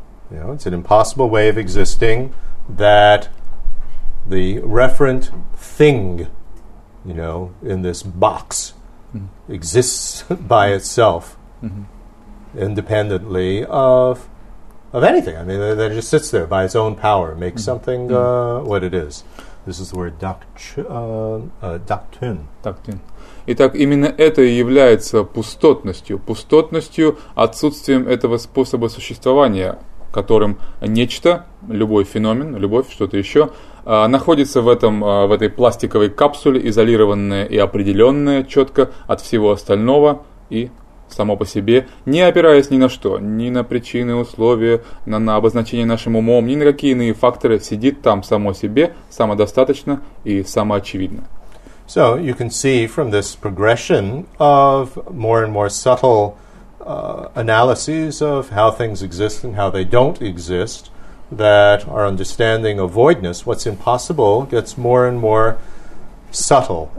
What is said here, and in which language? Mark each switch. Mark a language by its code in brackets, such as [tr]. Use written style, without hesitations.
[en] You know, it's an impossible way of existing that the referent thing, you know, in this box exists by itself independently of anything. I mean, that just sits there by its own power, makes something what it is. This is the word doctrine. Doctrine. [ru] Итак, именно это и является пустотностью. Пустотностью, отсутствием этого способа существования, которым нечто, любой феномен, любовь, что-то еще, находится в этой пластиковой капсуле, изолированная и определенная четко от всего остального и само по себе, не опираясь ни на что, ни на причины, условия, на обозначение нашим умом, ни на какие иные факторы, сидит там само себе, самодостаточно и самоочевидно. [en] So you can see from this progression of more and more subtle analyses of how things exist and how they don't exist, that our understanding of voidness, what's impossible, gets more and more subtle.